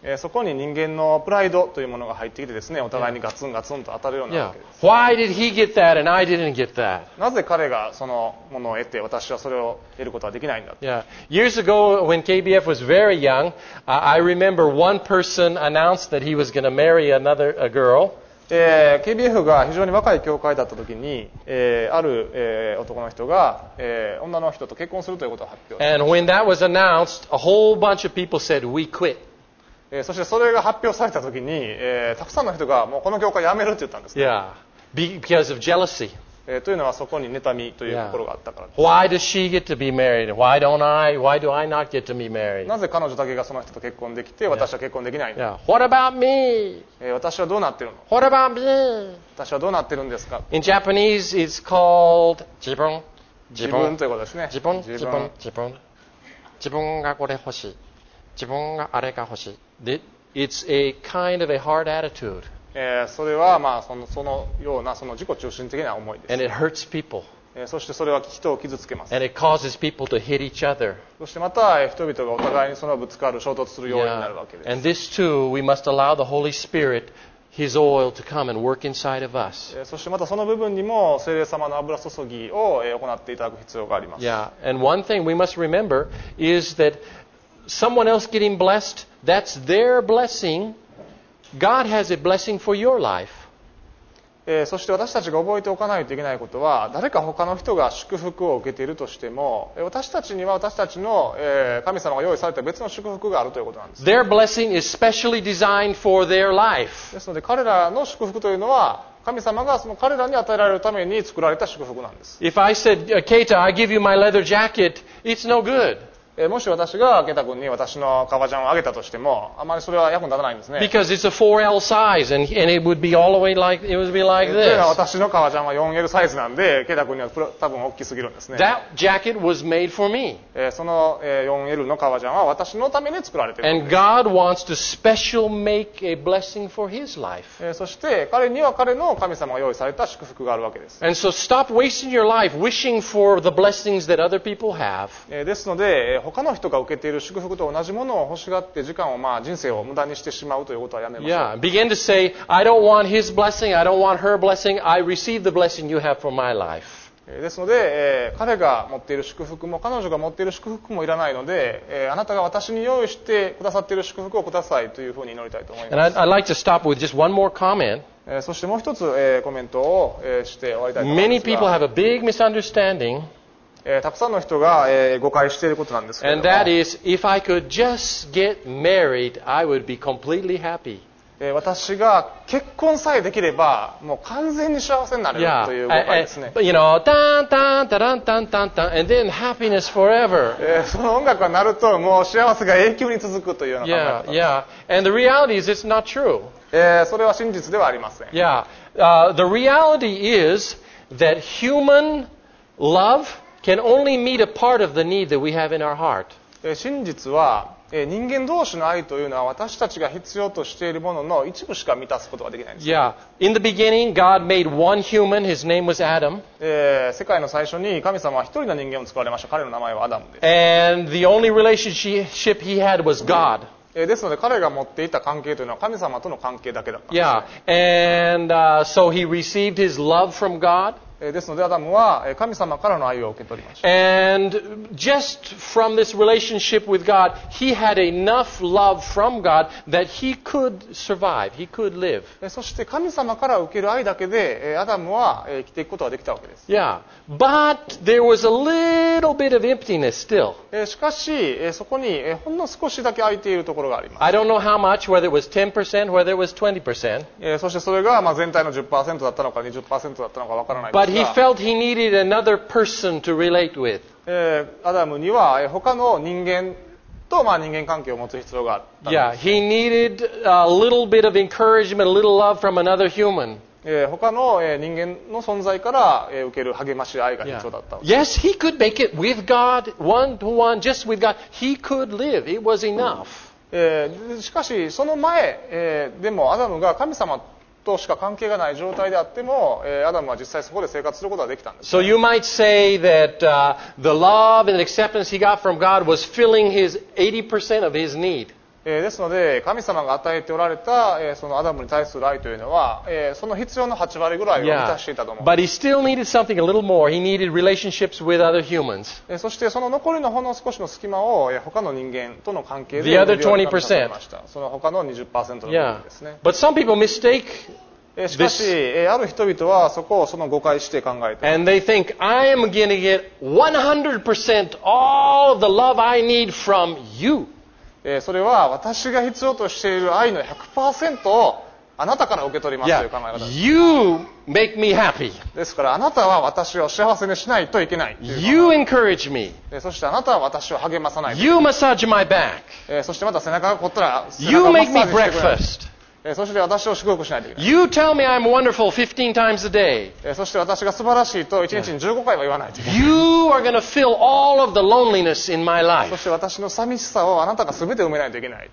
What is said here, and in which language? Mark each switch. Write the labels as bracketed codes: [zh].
[ja] そこに人間のプライドというものが入ってきてですね、お互いにガツンガツンと当たるようなわけです。 [en] Why did he get that and I didn't get that? [ja] なぜ彼がそのものを得て、私はそれを得ることはできないんだ。 [en] Years ago, when KBF was very young, I remember one person announced that he was going to marry another a girl. [ja] KBF が非常に若い教会だったときに、ある、男の人が、女の人と結婚するということを発表しました。 [en] And when that was announced, a whole bunch of people said, we quit. [ja] そしてそれが発表されたときに、たくさんの人がもうこの教会辞めるって言ったんです、ね。 [en] Yeah. Because of jealousy. [ja] というのはそこに妬みという心があったからです。 [en] Yeah. Why does she get to be married? Why do I not get to be married? [ja] なぜ彼女だけがその人と結婚できて、私は結婚できないの [en] Yeah. What about me? [ja] 私はどうなってるの [en] What about me? [ja] 私はどうなってるんですか [en] In Japanese, it's called 自分。 [ja] 自分ということですね。自分、自分、自分。自分がこれ欲しい。自分があれが欲しい。 [en] It's a kind of a hard attitude. [ja] それはまあそのようなその自己中心的な思いです。 [en] And it hurts people. [ja] そしてそれは人を傷つけます。 [en] And it causes people to hit each other. [ja] そしてまた人々がお互いにそのぶつかる衝突する要因になるわけです。 [en] And this too, we must allow the Holy Spirit His oil to come and work inside of us. [ja] そしてまたその部分にも聖霊様の油注ぎを行っていただく必要があります。 [en] Yeah. And one thing we must remember is that someone else getting blessed, that's their blessing. God has a blessing for your life. [ja] そして私たちが覚えておかないといけないことは、誰か他の人が祝福を受けているとしても、私たちには私たちの神様が用意された別の祝福があるということなんです。 [en] Their blessing is specially designed for their life. [ja] ですので彼らの祝福というのは、神様がその彼らに与えられるために作られた祝福なんです。 [en] If I said, Keita, I give you my leather jacket, it's no good. [ja] もし私がケタ君に私の革ジャンをあげたとしてもあまりそれは役に立たないんですね。 [en] Because it's a 4L size and it would be all the way like it would be like this。 [ja] というのは私の革ジャンは 4L サイズなんでケタ君には多分大きすぎるんですね。 [en] That jacket was made for me。 [ja] その4L の革ジャンは私のために作られている。 [en] And God wants to special make a blessing for His life。 [ja] そして彼には彼の神様が用意された祝福があるわけです。 [en] And so stop wasting your life wishing for the blessings that other people have。 [ja] ですので他の人が受けている祝福と同じものを欲しがって時間を、まあ、人生を無駄にしてしまうということはやめましょう。 [en] Yeah, begin to say, I don't want his blessing, I don't want her blessing, I receive the blessing you have for my life. [ja] ですので、彼が持っている祝福も彼女が持っている祝福もいらないので、あなたが私に用意してくださっている祝福をくださいというふうに祈りたいと思います。 [en] And I'd like to stop with just one more comment. [ja] そしてもう一つ、コメントを、して終わりたいと思います。 [en] Many people have a big misunderstanding. [ja] たくさんの人が、誤解していることなんですけれども。 [en] And that is, if I could just get married, I would be completely happy. [ja] 私が結婚さえできれば、もう完全に幸せになれる、 [en] yeah. [ja] という誤解ですね。 [en] You know, タンタンタランタンタンタン、and then happiness forever. [ja] その音楽が鳴ると、もう幸せが永久に続くというような考え方。 [en] Yeah, yeah. And the reality is, it's not true. [ja] それは真実ではありません。 [en] Yeah. The reality is that human love,can only meet a part of the need that we have in our heart. [ja] 真実は人間同士の愛というのは私たちが必要としているものの一部しか満たすことができないんです。 [en] Yeah. In the beginning, God made one human. His name was Adam. [ja] 世界の最初に神様は一人の人間を作られました。彼の名前はアダムです。 [en] And the only relationship he had was God. [ja] ですので彼が持っていた関係というのは神様との関係だけだったんです。 [en] Yeah. And so he received his love from God. [ja] ですのでアダムは神様からの愛を受け取りました。 [en] And just from this relationship with God, he had enough love from God that he could survive, he could live. [ja] そして神様から受ける愛だけでアダムは生きていくことができたわけです。 [en] Yeah, but there was a little bit of emptiness still. [ja] しかしそこにほんの少しだけ空いているところがあります。 [en] I don't know how much, whether it was 10%, whether it was 20%. [ja] そしてそれが全体の 10% だったのか 20% だったのかわからないです。 [en] But he felt he needed another person to relate with. [ja] アダムには他の人間と、まあ、人間関係を持つ必要があったんです。 [en] Yeah, he needed a little bit of encouragement, a little love from another human. [ja] 他の人間の存在から受ける励まし愛が必要だった。 [en] Yeah. Yes, he could make it with God, one to one, just with God. He could live. It was enough. [ja] しかしその前、でもアダムが神様としか関係がない状態であっても、アダムは実際そこで生活することができたんです。 [en] So you might say that, the love and acceptance he got from God was filling his 80% of his need. [ja] ですので、神様が与えておられた、そのアダムに対する愛というのは、その必要の8割ぐらいを満たしていたと思う。 [en] Yeah. But he still needed something a little more. He needed relationships with other humans. [ja] そしてその残りのほんの少しの隙間を、他の人間との関係で [en] The other 20%. [ja] その他の 20% の部分ですね。 [en] Yeah. But some people mistake [ja] しかし、ある人々はそこをその誤解して考えて。 [en] And they think, I am going to get 100% all the love I need from you. [ja] それは私が必要としている愛の 100% をあなたから受け取りますという考え方です。 [en] Yeah. You make me happy. [ja] ですからあなたは私を幸せにしないといけない。 [en] You encourage me. [ja] そしてあなたは私を励まさないといけない。 [en] You massage my back. [ja] そしてまた背中が凝ったら背中をマッサージしてくれ。 [en] You make me breakfast. [ja] そして私を祝福しないといけない。 [en] You tell me I'm wonderful 15 times a day. [ja] そして私が素晴らしいと1日に15回は言わないといけない。 [en] You are going to fill all of the loneliness in my life. [ja] そして私の寂しさをあなたが全て埋めないといけない。